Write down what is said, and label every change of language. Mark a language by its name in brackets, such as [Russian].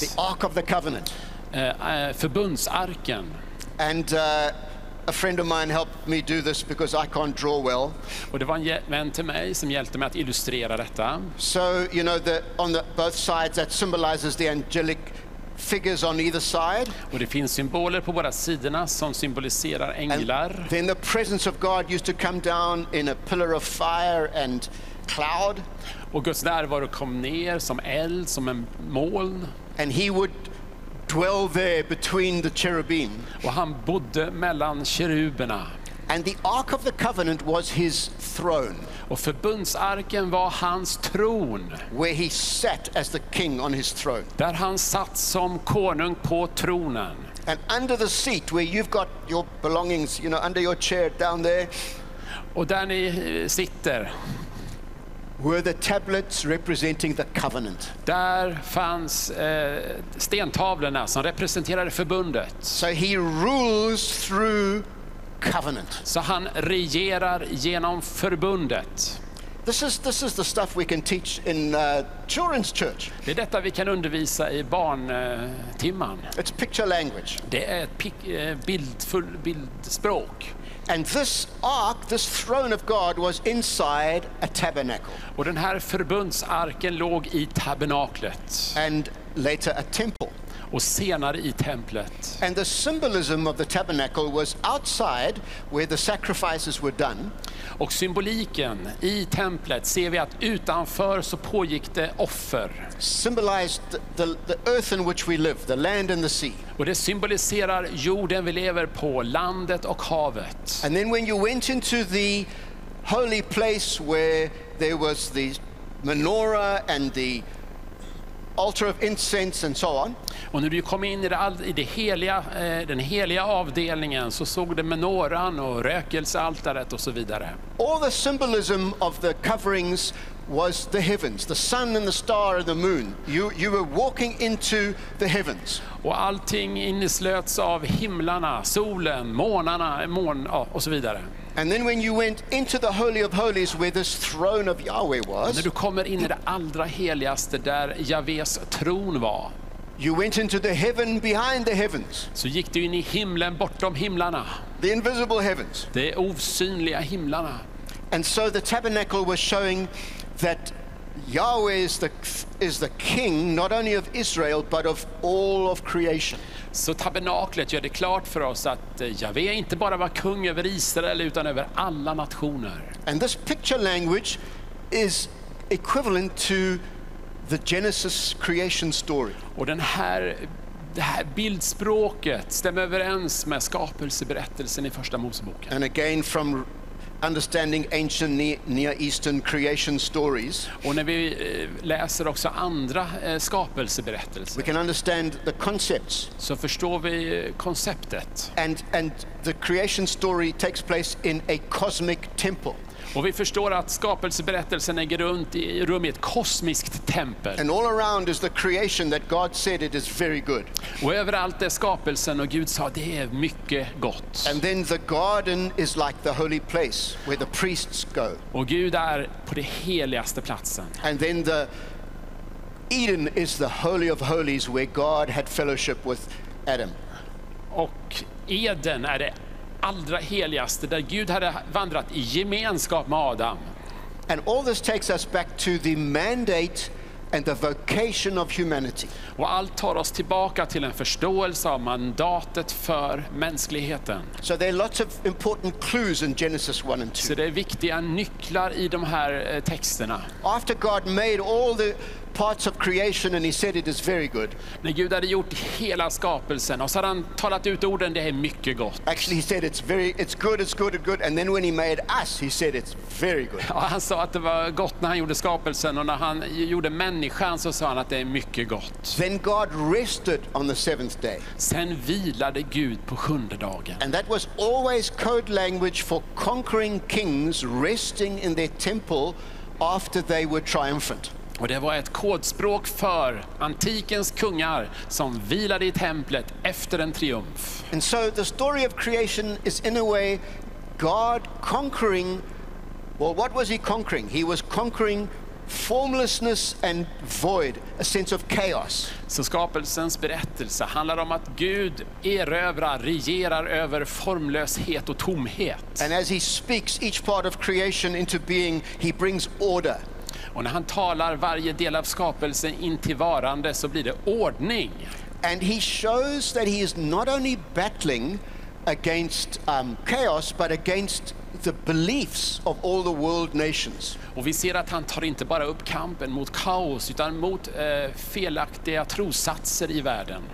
[English] The Ark of the Covenant. [Swedish] Förbundsarken. [English] And a friend of mine helped me do this because I can't draw well. [Swedish] Och det var en vän till mig som hjälpte mig att illustrera detta. [English] So, you know, on the both sides that symbolizes the angelic figures on either side. [Swedish] Och det finns symboler på båda sidorna som symboliserar änglar. [English] And then the presence of God used to come down in a pillar of fire and cloud. [Swedish] Och Guds närvaro kom ner som eld, som en moln. [English] And he would dwell there between the cherubim. [Swedish] Och han bodde mellan keruberna. [English] And the Ark of the Covenant was his throne. [Swedish] Och förbundsarken var hans tron. [English] Where he sat as the king on his throne. [Swedish] Där han satt som konung på tronen. [English] And under the seat where you've got your belongings, you know, under your chair down there. [Swedish] Och där ni sitter. [English] Were the tablets representing the covenant? [Swedish] Där fanns stentavlorna som representerade förbundet. [English] So he rules through covenant. [Swedish] Så han regerar genom förbundet. [English] This is the stuff we can teach in children's church. [Swedish] Det är detta vi kan undervisa i barntimman. [English] It's picture language. [Swedish] Det är ett bildfullt bildspråk. [English] And this ark, this throne of God, was inside a tabernacle. [Swedish] Och den här förbundsarken låg i tabernaklet. [English] And later a temple. [Swedish] Och senare i templet. [English] And the symbolism of the tabernacle was outside where the sacrifices were done. [Swedish] Och symboliken i templet ser vi att utanför så pågick det offer. [English] Symbolized the earth in which we live, the land and the sea. [Swedish] Och det symboliserar jorden vi lever på, landet och havet. [English] And then when you went into the holy place where there was the menorah and the altar of incense and so on. [Swedish] Och när du kom in i den heliga avdelningen så såg du menoran och rökelsealtaret och så vidare. [English] All the symbolism of the coverings was the heavens, the sun and the star and the moon. You were walking into the heavens. [Swedish] Och allting inneslöts av himlarna, solen, månarna, och så vidare. [English] And then when you went into the holy of holies where this throne of Yahweh was. [Swedish] När du kommer in i det allra heligaste där Jahves tron var. [English] You went into the heaven behind the heavens. [Swedish] Så gick du in i himlen bortom himlarna. [English] The invisible heavens. [Swedish] De osynliga himlarna. [English] And so the tabernacle was showing that Yahweh is the king not only of Israel but of all of creation. [Swedish] Så tabernaklet gör det klart för oss att Jahve inte bara var kung över Israel utan över alla nationer. [English] And this picture language is equivalent to the Genesis creation story. [Swedish] Och det här bildspråket stämmer överens med skapelseberättelsen i första Moseboken. [English] And again from understanding ancient Near Eastern creation stories. [Swedish] Och när vi läser också andra skapelseberättelser. [English] We can understand the concepts. [Swedish] Så förstår vi konceptet. [English] And the creation story takes place in a cosmic temple. [Swedish] Och vi förstår att skapelseberättelsen äger runt i rum i ett kosmiskt tempel. [English] And all around is the creation that God said it is very good. [Swedish] Och överallt är skapelsen och Gud sa det är mycket gott. [English] And then the garden is like the holy place where the priests go. [Swedish] Och Gud är på det heligaste platsen. [English] And then the Eden is the holy of holies where God had fellowship with Adam. [Swedish] Och Eden är det allra heligaste där Gud hade vandrat i gemenskap med Adam. [English] And all this takes us back to the mandate and the vocation of humanity. [Swedish] Och allt tar oss tillbaka till en förståelse av mandatet för mänskligheten. [English] So there are lots of important clues in Genesis 1 and 2. [Swedish] Så det är viktiga nycklar I de här texterna. [English] After God made all the parts of creation and he said it is very good. [Swedish] När Gud hade gjort hela skapelsen och så hade han talat ut orden det är mycket gott. [English] Actually he said it's good and then when he made us he said it's very good. [Swedish] Han sa att det var gott när han gjorde skapelsen och när han gjorde människan så sa han att det är mycket gott. [English] Then God rested on the seventh day. [Swedish] Sen vilade Gud på sjunde dagen. [English] And that was always code language for conquering kings resting in their temple after they were triumphant. [Swedish] Och det var ett kodspråk för antikens kungar som vilade I templet efter en triumf. [English] And so the story of creation is in a way God conquering, well what was he conquering? He was conquering formlessness and void, a sense of chaos. [Swedish] Så skapelsens berättelse handlar om att Gud erövrar, regerar över formlöshet och tomhet. [English] And as he speaks each part of creation into being, he brings order. [Swedish] Och när han talar varje del av skapelsen in till varande så blir det ordning. [English] And he shows that he is not only battling against chaos but against the beliefs of all the world nations. [Swedish] Och vi ser att han tar inte bara upp kampen mot kaos utan mot felaktiga trossatser I världen.